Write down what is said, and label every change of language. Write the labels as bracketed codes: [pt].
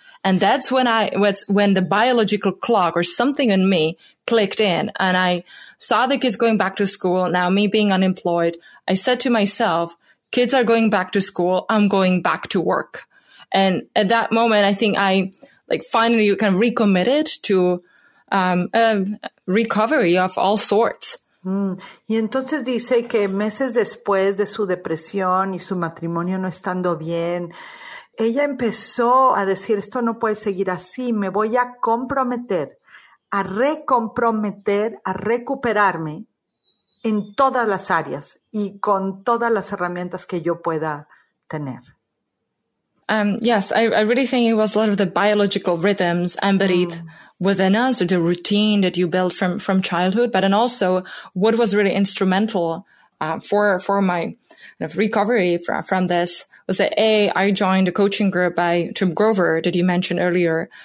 [en] And that's when the biological clock or something in me clicked in, and I saw the kids going back to school. Now, me being unemployed, I said to myself, kids are going back to school, I'm going back to work. And at that moment, I think I like finally kind of recommitted to recovery of all sorts. Mm. [es] Y entonces dice que meses después de su depresión y su matrimonio no estando bien, ella empezó a decir, esto no puede seguir así, me voy a comprometer, a recomprometer, a recuperarme en todas las áreas y con todas las herramientas que yo pueda tener. [en] Yes, I really think it was a lot of the biological rhythms embedded within us, or the routine that you build from childhood. But then also what was really instrumental for my kind of recovery from this was that I joined a coaching group by Jim Grover that you mentioned earlier.